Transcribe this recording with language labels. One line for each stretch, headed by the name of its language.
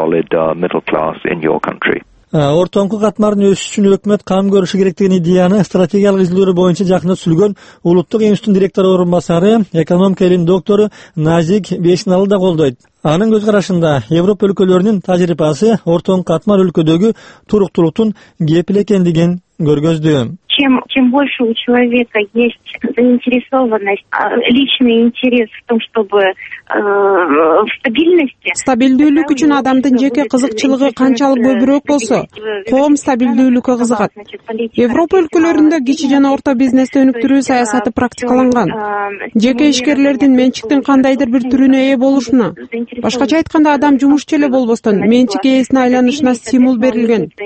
Kyrgyz: Ортоңку катмардын өсүшү үчүн өкмөт кам көрүшү керектигин идеяны стратегиялык изилдөөлөр боюнча жакында түзүлгөн улуттук институттун директору орун басары, экономика илимдеринин доктору Назик Бешиналы да колдойт. Анын көз карашында Европа өлкөлөрүнүн тажрыйбасы ортоңку катмар өлкөдөгү туруктулуктун кепил экендигин көргөздү.
Russian: Чем больше у человека есть заинтересованность, личный интерес в том, чтобы в стабильности.
Kyrgyz: Стабилдүүлүк үчүн адамдын жеке кызыкчылыгы канчалык көбүрөөк болсо, коом стабилдүүлүккө кызыгат. Европа өлкөлөрүндө кичи жана орто бизнести өнүктүрүү саясаты практикаланган. Жеке ишкерлердин менчиктин кандайдыр бир түрүнө ээ болушуна, башкача айтканда адам жумушчу эле болбостон менчик ээсине айланышына стимул берилген.